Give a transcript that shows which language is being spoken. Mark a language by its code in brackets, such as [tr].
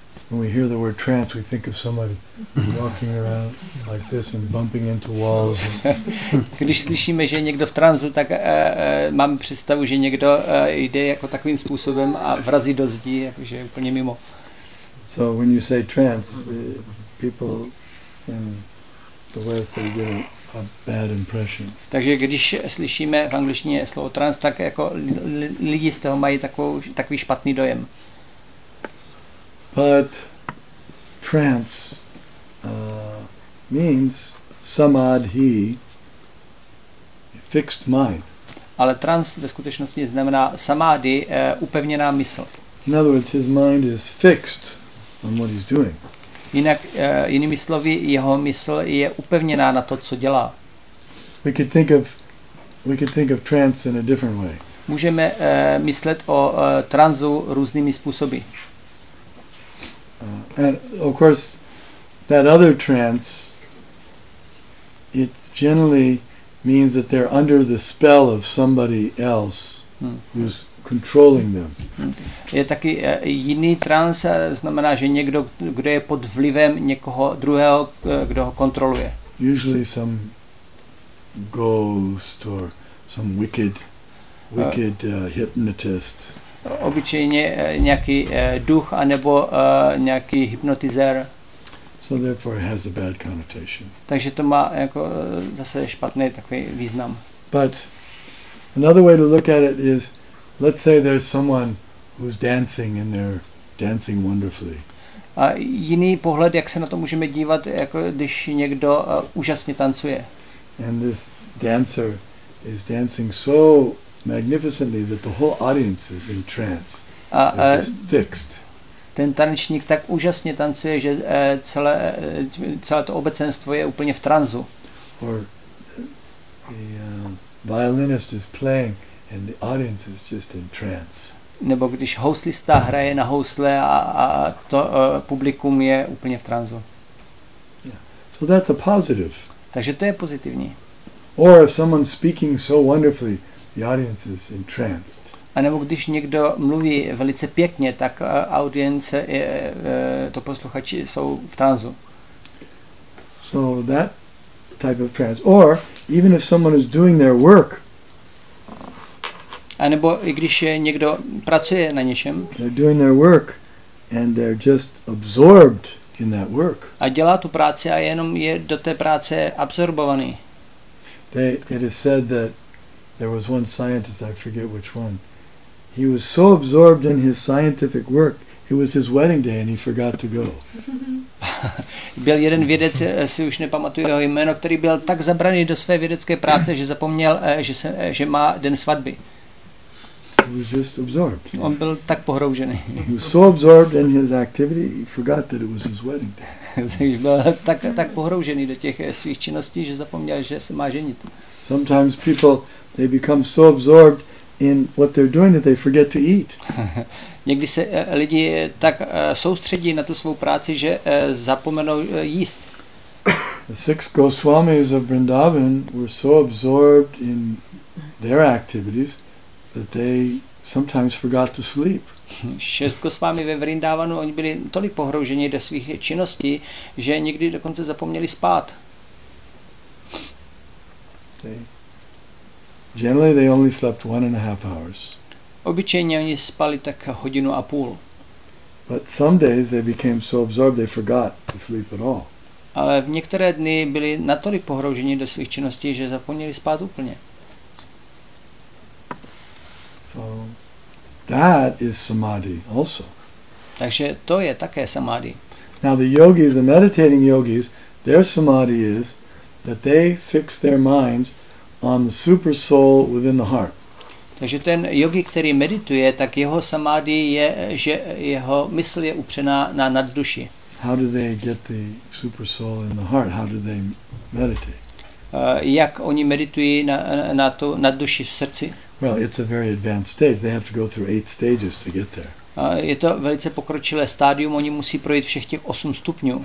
[en] When we hear the word trance, we think of somebody walking around like this and bumping into walls. [cs] Když slyšíme, že někdo v tranzu, tak mám představu, že někdo jde jako takovým způsobem a vrazí do zdi, jakože úplně mimo. [en] So when you say trance, people in the West, they get a bad impression. [cs] Takže když slyšíme v angličtině slovo trance, tak jako lidi z toho mají takový špatný dojem. [en] But trance means samadhi, fixed mind. [cs] Ale trance ve skutečnosti znamená samadhi, upevněná mysl. [en] In other words, his mind is fixed on what he's doing. [cs] Jinak, jinými slovy, jeho mysl je upevněná na to, co dělá. [en] We could think of trance in a different way. [cs] Můžeme myslet o tranzu různými způsoby. [en] And of course, that other trance, it generally means that they're under the spell of somebody else who's controlling them. [cs] Je taky jiný trance, znamená, že někdo, kdo je pod vlivem někoho druhého, kdo ho kontroluje. [en] Usually some ghost or some wicked hypnotist. [cs] Obyčejně nějaký duch anebo nějaký hypnotizér. [en] So therefore it has a bad connotation. [cs] Takže to má jako zase špatný takový význam. [en] But another way to look at it is, let's say there's someone who's dancing and they're dancing wonderfully. [cs] A jiný pohled, jak se na to můžeme dívat, jako když někdo úžasně tancuje. [en] And this dancer is dancing so magnificently that the whole audience is in trance. Fixed. [cs] Ten tanečník tak úžasně tancuje, že celé to obecenstvo je úplně v tranzu. [en] Or the violinist is playing and the audience is just in trance. [cs] Nebo když houslista hraje na housle a to publikum je úplně v tranzu. [en] Yeah. So that's a positive. [cs] Takže to je pozitivní. [en] Or if someone speaking so wonderfully, the audience is entranced. [cs] A nebo když někdo mluví velice pěkně, tak audience je, to posluchači jsou v tranzu. [en] So that type of trance. Or even if someone is doing their work. [cs] A nebo i když někdo pracuje na něčem. [en] They're doing their work and they're just absorbed in that work. [cs] A dělá tu práci a jenom je do té práce absorbovaný. [en] It is said that there was one scientist, I forget which one. He was so absorbed in his scientific work, it was his wedding day and he forgot to go. [cs] Byl jeden vědec, si už nepamatuju jeho jméno, který byl tak zabraný do své vědecké práce, že zapomněl, že má den svatby. [en] He was just absorbed. [cs] On byl tak pohroužený. [en] He was so absorbed in his activity, he forgot that it was his wedding day. [cs] Byl tak pohroužený do těch svých činností, že zapomněl, že se má ženit. [en] Sometimes people, they become so absorbed in what they're doing that they forget to eat. [cs] Někdy se lidi tak soustředí na tu svou práci, že zapomenou jíst. [en] The six Goswamis of Vrindavan were so absorbed in their activities that they sometimes forgot to sleep. [cs] Šest Goswami ve Vrindavanu, oni byli tolik pohrouženi do svých činností, že někdy dokonce zapomněli spát. [en] Generally they only slept 1.5 hours. [cs] Obyčejně oni spali tak hodinu a půl. [en] But some days they became so absorbed they forgot to sleep at all. [cs] Ale v některé dny byli natolik pohrouženi do svých činností, že zapomněli spát úplně. [en] So that is samadhi also. [cs] Takže to je také samadhi. [en] Now the yogis, the meditating yogis, their samadhi is that they fix their minds on the super soul within the heart. [cs] Takže ten yogi, který medituje, tak jeho samadhi je, že jeho mysl je upřená na nadduši. [en] How do they get the super soul in the heart? How do they meditate? [cs] Jak oni meditují na tu nadduši v srdci? [en] Well, it's a very advanced stage. They have to go through 8 stages to get there. [cs] Je to velice pokročilé stádium, oni musí projít všech těch 8 stupňů.